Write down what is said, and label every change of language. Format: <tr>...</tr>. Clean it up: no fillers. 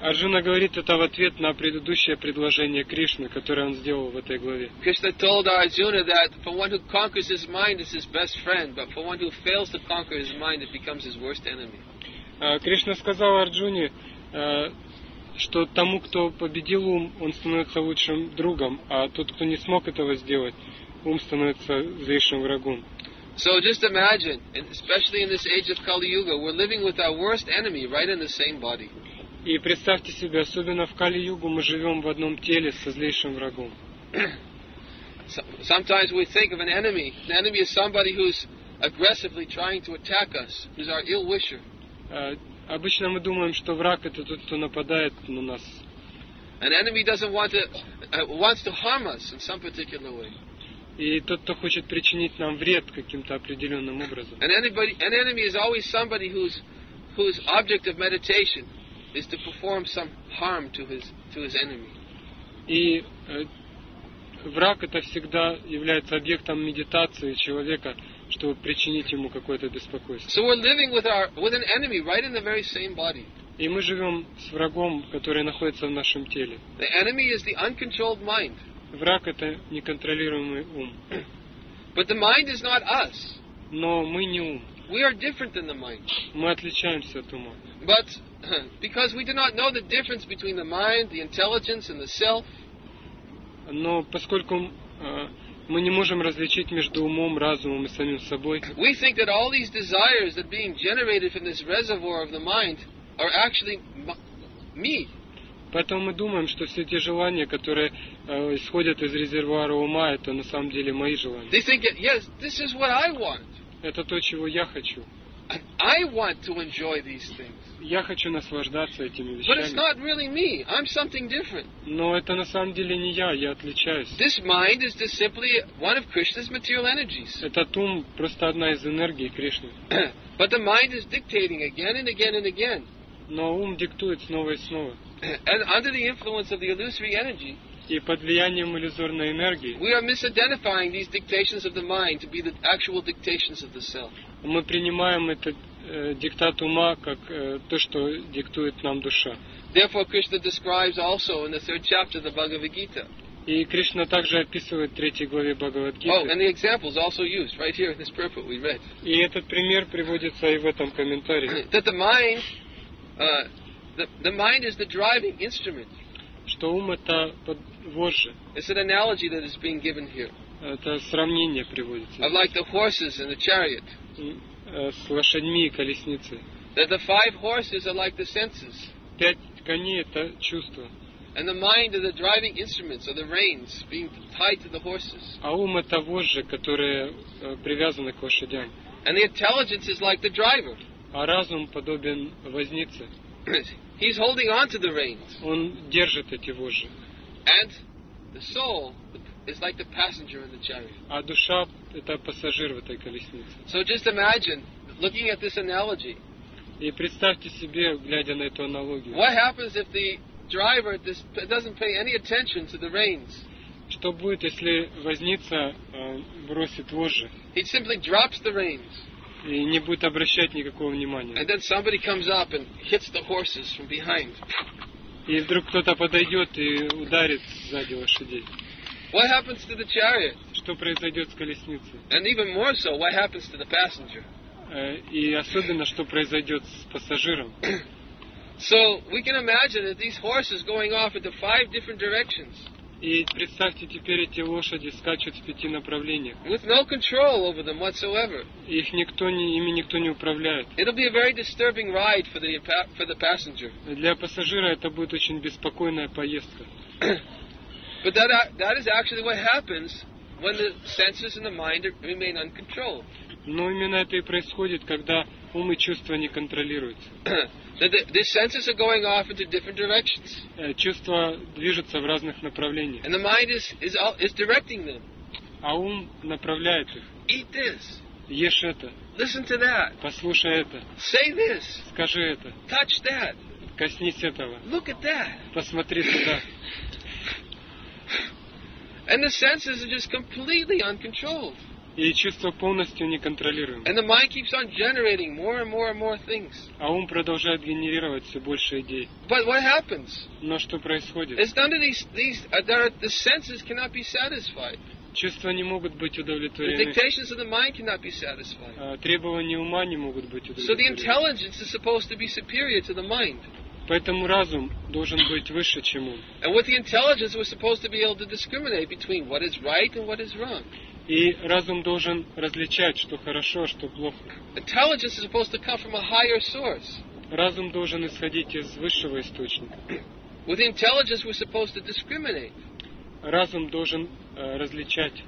<ru>Arjuna говорит это в ответ на предыдущее предложение Кришны, которое он сделал в этой главе.</ru> <en>Krishna told Arjuna that for one who conquers his mind is his best friend, but for one who fails to conquer his mind it becomes his worst enemy.</en> <ru>Кришна сказал Арджуне, что тому, кто победил ум, он становится лучшим другом, а тот, кто не смог этого сделать, ум становится злейшим врагом.</ru> <en>So just imagine, and especially in this age of Kali Yuga, we're living with our worst enemy right in the same body.</en> <ru>И представьте себе, особенно в Кали Югу мы живем в одном теле со злейшим врагом.</ru> <en>Sometimes we think of an enemy. An enemy is somebody who's aggressively trying to attack us, who's our ill wisher.</en> <ru>Обычно мы думаем, что враг — это тот, кто нападает на нас.</ru> <en>An enemy doesn't want to wants to harm us in some particular way.</en> <ru>И тот, кто хочет причинить нам вред каким-то определенным образом.</ru> <en>An enemy is always somebody whose object of meditation is to perform some harm to his enemy.</en> <ru>И враг — это всегда является объектом медитации человека, чтобы причинить ему какое-то беспокойство.</ru> <en>So we're living with an enemy right in the very same body.</en> <ru>И мы живем с врагом, который находится в нашем теле.</ru> <en>The enemy is the uncontrolled mind.</en> <ru>Враг — это неконтролируемый ум.</ru> <en>But the mind is not us.</en> <ru>Но мы не ум.</ru> <en>We are different than the mind.</en> <ru>Мы отличаемся от ума.</ru> <en>But because we do not know the difference between the mind, the intelligence, and the self.</en> <ru>Но поскольку мы не можем различить между умом, разумом и самим собой.</ru> <en>We think that all these desires that are being generated from this reservoir of the mind are actually me.</en> <ru>Поэтому мы думаем, что все те желания, которые исходят из резервуара ума, это на самом деле мои желания.</ru> <en>They think, yes, this is what I want.</en> <ru>Это то, чего я хочу.</ru> <en>I want to enjoy these things.</en> <ru>Я хочу наслаждаться этими вещами.</ru> <en>But it's not really me. I'm something different.</en> <ru>Но это на самом деле не я. Я отличаюсь.</ru> <en>This mind is just simply one of Krishna's material energies.</en> <ru>Этот ум просто одна из энергий Кришны.</ru> <en>But the mind is dictating again and again and again.</en> <ru>Но ум диктует снова и снова.</ru> <en>And under the influence of the illusory energy,</en> <ru>и под влиянием иллюзорной энергии,</ru> <en>we are misidentifying these dictations of the mind to be the actual dictations of the self.</en> <ru>Мы принимаем этот диктат ума как то, что диктует нам душа.</ru> <en>Therefore, Krishna describes also in the third chapter of the Bhagavad Gita.</en> <ru>И Кришна также описывает в третьей главе Бхагавад-гиты.</ru> <en>Oh, and the example is also used right here in this purport we read.</en> <ru>И этот пример приводится и в этом комментарии.</ru> <en>That the mind. The mind is the driving instrument.</en> <ru>Что ум — это подвожжи.</ru> <en>It's an analogy that is being given here.</en> <ru>Это сравнение приводится.</ru> <en>Of like the horses and the chariot.</en> <ru>С лошадьми и колесницей.</ru> <en>That the five horses are like the senses.</en> <ru>Пять коней — это чувства.</ru> <en>And the mind are the driving instruments, or the reins being tied to the horses.</en> <ru>А ум — это вожжи, которые привязаны к лошадям.</ru> <en>And the intelligence is like the driver.</en> <ru>А разум подобен вознице.</ru> <en>He's holding on to the reins.</en> <ru>Он держит эти вожжи.</ru> <en>And the soul is like the passenger in the chariot.</en> <ru>А душа — это пассажир в этой колеснице.</ru> <en>So just imagine, looking at this analogy.</en> <ru>И представьте себе, глядя на эту аналогию.</ru> <en>What happens if the driver doesn't pay any attention to the reins?</en> <ru>Что будет, если возница бросит вожжи?</ru> <en>He simply drops the reins.</en> <ru>И не будет обращать никакого внимания.</ru> <en>And then somebody comes up and hits the horses from behind.</en> <ru>И вдруг кто-то подойдет и ударит сзади лошадей.</ru> <en>What happens to the chariot?</en> <ru>Что произойдет с колесницей?</ru> <en>And even more so, what happens to the passenger?</en> <ru>И особенно, что произойдет с пассажиром?</ru> <en>So we can imagine that these horses going off into five different directions.</en> <ru>И представьте теперь эти лошади скачут в пяти направлениях.</ru> <en>With no control over them whatsoever.</en> <ru>Их никто не, ими никто не управляет.</ru> <en>It'll be a very disturbing ride for the passenger.</en> <ru>Для пассажира это будет очень беспокойная поездка.</ru> <en>But that is actually what happens when the senses and the mind remain uncontrolled.</en> <ru>Но именно это и происходит, когда ум и чувства не контролируются.</ru> <en>The senses are going off into different directions.</en> <ru>Чувства движутся в разных направлениях.</ru> <en>And the mind is directing them.</en> <ru>А ум направляет их.</ru> <en>Eat this.</en> <ru>Ешь это.</ru> <en>Listen to that.</en> <ru>Послушай это.</ru> <en>Say this.</en> <ru>Скажи это.</ru> <en>Touch that.</en> <ru>Коснись этого.</ru> <en>Look at that.</en> <ru>Посмотри туда.</ru> <en>And the senses are just completely uncontrolled.</en> <ru>И чувства полностью неконтролируемы.</ru> <en>And the mind keeps on generating more and more and more things.</en> <ru>А ум продолжает генерировать все больше идей.</ru> <en>But what happens?</en> <ru>Но что происходит?</ru> <en>It's under the senses cannot be satisfied.</en> <ru>Чувства не могут быть удовлетворены.</ru> <en>The dictations of the mind cannot be satisfied.</en> <ru>Требования ума не могут быть удовлетворены.</ru> <en>So the intelligence is supposed to be superior to the mind.</en> <ru>Поэтому разум должен быть выше, чем ум.</ru> <en>And with the intelligence, we're supposed to be able to discriminate between what is right and what is wrong.</en> <ru>И разум должен различать, что хорошо, что плохо.</ru> <en>Intelligence is supposed to come from a higher source.</en> <ru>Разум должен исходить из высшего источника.</ru> <en>With intelligence we're supposed to discriminate.</en> <ru>Разум должен различать.</ru>